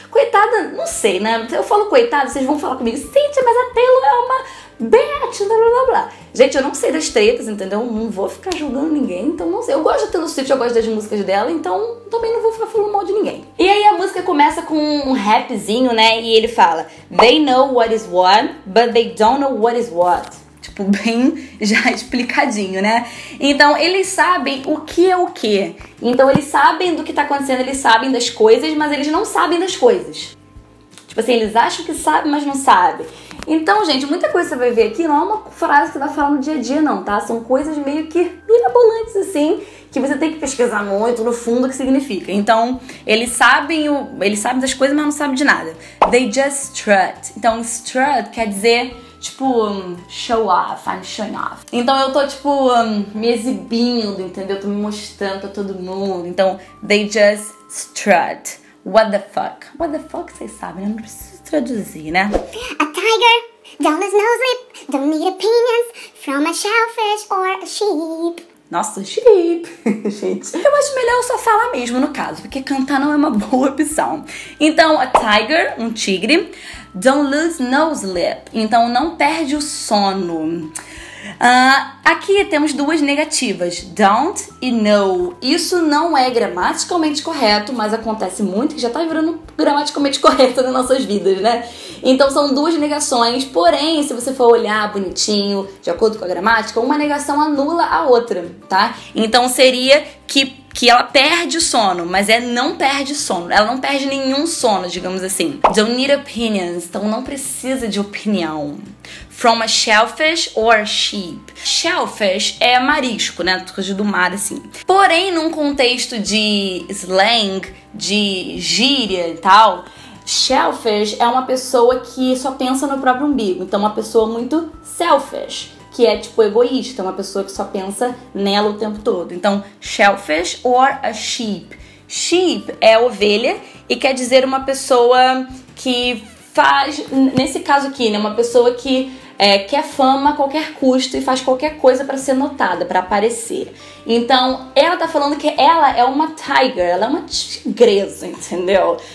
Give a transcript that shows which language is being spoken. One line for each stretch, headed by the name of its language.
Portuguese: Coitada, não sei, né? Eu falo coitada, vocês vão falar comigo, Cíntia, mas a Taylor é uma bete, blá blá blá. Gente, eu não sei das tretas, entendeu? Não vou ficar julgando ninguém, então não sei. Eu gosto da Taylor Swift, eu gosto das músicas dela, então também não vou ficar falando mal de ninguém. E aí a música começa com um rapzinho, né? E ele fala,
English: they know what is what, but they don't know what is what.
Portuguese: Tipo, bem já explicadinho, né? Então, eles sabem o que é o quê. Então, eles sabem do que tá acontecendo, eles sabem das coisas, mas eles não sabem das coisas. Tipo assim, eles acham que sabem, mas não sabem. Então, gente, muita coisa que você vai ver aqui não é uma frase que você vai falar no dia a dia, não, tá? São coisas meio que mirabolantes, assim, que você tem que pesquisar muito no fundo o que significa. Então, eles sabem das coisas, mas não sabem de nada.
English: They just strut.
Portuguese: Então, strut quer dizer... tipo,
English: show off, I'm showing off.
Portuguese: Então eu tô, tipo, me exibindo, entendeu? Tô me mostrando pra todo mundo. Então,
English: they just strut. What the fuck? What the fuck,
Portuguese: vocês sabem, eu não preciso traduzir, né?
English: A tiger, don't lose no sleep, don't need opinions from a shellfish or a sheep.
Portuguese: Nossa, sheep, gente. Eu acho melhor eu só falar mesmo, no caso, porque cantar não é uma boa opção. Então,
English: a tiger,
Portuguese: um tigre.
English: Don't lose no sleep.
Portuguese: Então, não perde o sono. Aqui temos duas negativas.
English: Don't e no.
Portuguese: Isso não é gramaticalmente correto, mas acontece muito e já tá virando gramaticalmente correto nas nossas vidas, né? Então, são duas negações. Porém, se você for olhar bonitinho, de acordo com a gramática, uma negação anula a outra, tá? Então, seria que ela perde o sono, mas é não perde sono. Ela não perde nenhum sono, digamos assim.
English: Don't need opinions.
Portuguese: Então não precisa de opinião.
English: From a shellfish or a sheep.
Portuguese: Shellfish é marisco, né? Coisa do mar, assim. Porém, num contexto de slang, de gíria e tal, shellfish é uma pessoa que só pensa no próprio umbigo. Então uma pessoa muito selfish. Que é, tipo, egoísta, uma pessoa que só pensa nela o tempo todo. Então,
English: shellfish or a sheep.
Portuguese: Sheep é ovelha e quer dizer uma pessoa que faz, nesse caso aqui, né, uma pessoa que quer fama a qualquer custo e faz qualquer coisa pra ser notada, pra aparecer. Então, ela tá falando que ela é uma tiger, ela é uma tigresa, entendeu?